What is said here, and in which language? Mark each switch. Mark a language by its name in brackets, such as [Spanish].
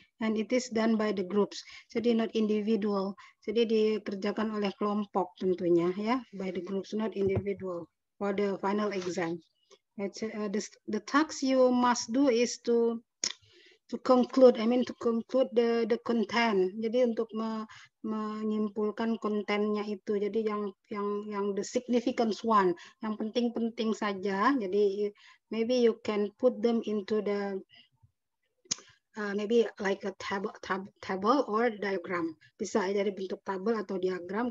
[English] And it is done by the groups. Jadi not individual. Jadi dikerjakan oleh kelompok tentunya, ya, by the groups, not individual for the final exam. The task you must do is to conclude the content. [Indonesian] Jadi untuk menyimpulkan kontennya itu. Jadi yang the significance one, yang penting-penting saja. [English] Jadi maybe you can put them into the maybe like a table or diagram. [Indonesian] Bisa dari bentuk tabel atau diagram.